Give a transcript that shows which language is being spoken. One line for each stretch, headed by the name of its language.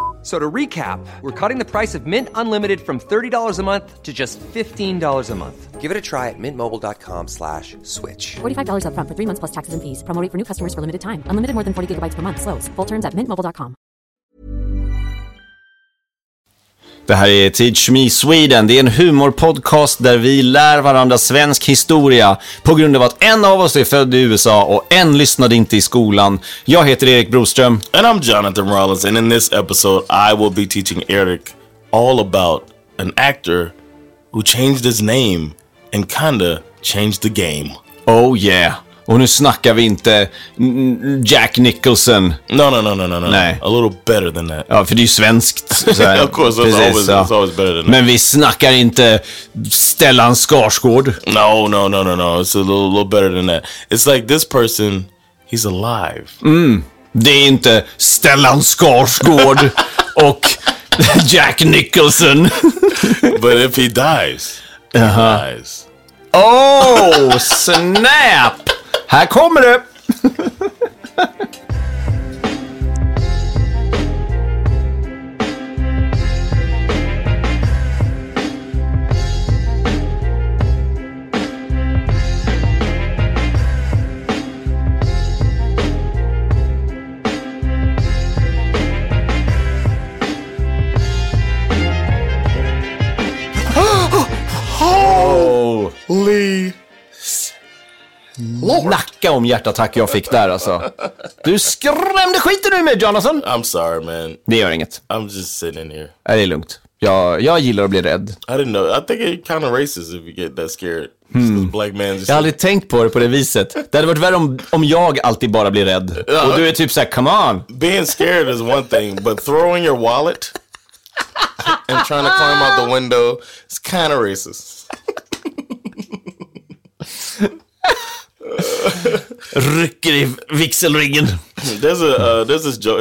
English: So to recap, we're cutting the price of Mint Unlimited from $30 a month to just $15 a month. Give it a try at mintmobile.com/switch. $45 up front for 3 months plus taxes and fees. Promo rate for new customers for limited time. Unlimited more than 40 gigabytes per month. Slows full terms at mintmobile.com.
Swedish: Det här är Teach Me Sweden. Det är en humorpodcast där vi lär varandra svensk historia på grund av att en av oss är född i USA och en lyssnade inte i skolan. Jag heter Erik Broström.
English: And I'm Jonathan Rollins. And in this episode I will be teaching Eric all about an actor who changed his name and kinda changed the game. Oh yeah.
Swedish: Och nu snackar vi inte Jack Nicholson.
English: No.
Swedish: Nej.
English: A little better than that.
Swedish: Ja, för det är ju svenskt. Så här.
English: Of course, it's always, always better than that.
Swedish: Men vi snackar inte Stellan Skarsgård.
English: No. It's a little better than that. It's like this person, he's alive. Mm.
Swedish: Det är inte Stellan Skarsgård och Jack Nicholson.
English: But if he dies, he dies. Oh, snap!
Swedish: Här kommer det!
English: Holy!
Swedish: Snacka om hjärtattack jag fick där alltså. Du skrämde skiten ur mig, Jonathan.
English: I'm sorry, man.
Swedish: Det gör inget.
English: I'm just sitting here.
Swedish: Är det lugnt? Jag gillar att bli rädd.
English: I didn't know. I think it's kind of racist if you get that scared. Hmm. Black man just...
Swedish: Jag hade aldrig tänkt på det på det viset. Det hade varit värre om jag alltid bara blir rädd. Och du är typ såhär,
English: come on. Being scared is one thing, but throwing your wallet and trying to climb out the window is kind of racist.
Swedish: Rycker i vixelringen.
English: There's this joke.